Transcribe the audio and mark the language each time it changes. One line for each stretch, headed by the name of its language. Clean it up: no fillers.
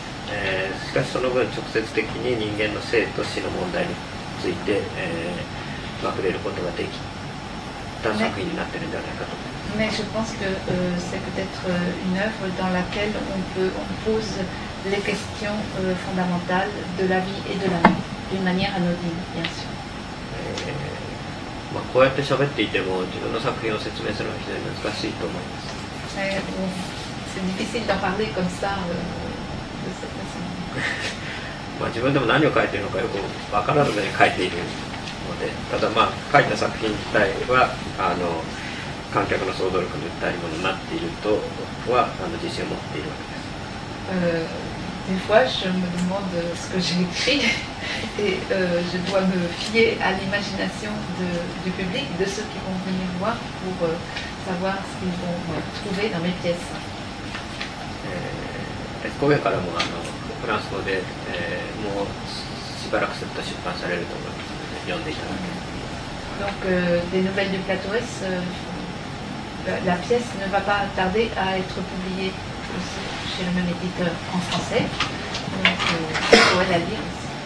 Japanese: しかしその分直接的に人間の生と死の問題について、触れることができた作品になっているんじゃないかと。
French: Mais je pense que c'est peut-être une œuvre dans laquelle on pose les questions fondamentales de la vie et de la mort d'une manière anodine, bien sûr.
Japanese: まあ、こうやって喋っていても自分の作品を説明するのは非常に難しいと思います。
French: C'est difficile d'en parler comme ça de cette façon.
Japanese: まあ、自分でも何を書いているのかよく分からずに書いているので、ただ、まあ、書いた作品自体は観客の想像力に訴えるものになっていると僕は自信を持っているわけです。
French: Des fois, je me demande ce que j'ai écrit et je dois me fier à l'imagination du public, de ceux qui vont venir voir pour savoir ce qu'ils vont trouver dans mes pièces.
Japanese: S 光源からもフランス語で、もうしばらくすると出版されると思いますので読んでいただけます。
French: Donc, des nouvelles du plateau S, la pièce ne va pas tarder à être publiée.Aussi chez le même éditeur en français. Donc, vous pourrez la lire aussi.